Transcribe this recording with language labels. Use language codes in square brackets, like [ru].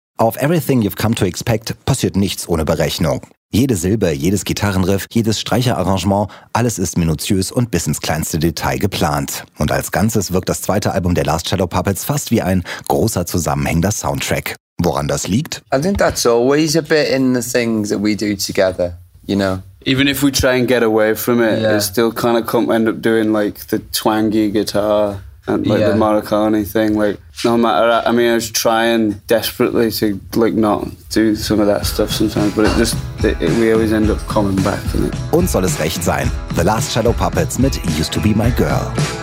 [de] Auf Everything You've Come to Expect passiert nichts ohne Berechnung. Jede Silbe, jedes Gitarrenriff, jedes Streicherarrangement, alles ist minutiös und bis ins kleinste Detail geplant. Und als Ganzes wirkt das zweite Album der Last Shadow Puppets fast wie ein großer zusammenhängender Soundtrack. Woran das liegt? [en] I think that's always a bit in the things that we do together, you know. Even if we try and get away from it, yeah. It still kind of come end up doing like the twangy guitar and like yeah. The Marconi thing. Like no matter, I mean, I was trying desperately to like not do some of that stuff sometimes, but it just we always end up coming back to it. [de] Und soll es recht sein, The Last Shadow Puppets mit Used to Be My Girl.